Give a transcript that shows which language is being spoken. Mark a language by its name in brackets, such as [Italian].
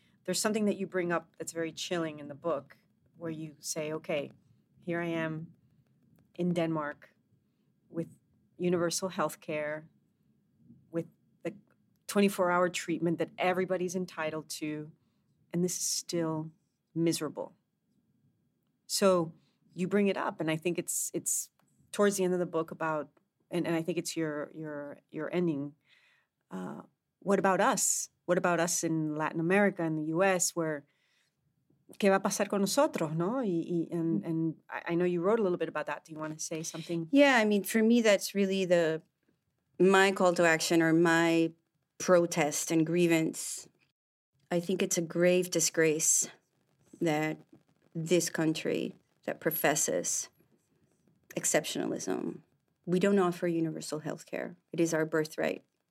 [English] There's something that you bring up that's very chilling in the book where you say, okay, here I am in Denmark with universal healthcare, with the 24-hour treatment that everybody's entitled to, and this is still miserable. So you bring it up, and I think it's towards the end of the book about, and I think it's your ending, what about us? What about us in Latin America and the U.S. [Spanish] where, ¿qué va a pasar con nosotros, no? [English] And I know you wrote a little bit about that. Do you want to say something? Yeah, I mean, for me, that's really the my call to action or my protest and grievance. I think it's a grave disgrace that this country that professes exceptionalism, we don't offer universal health care. It is our birthright.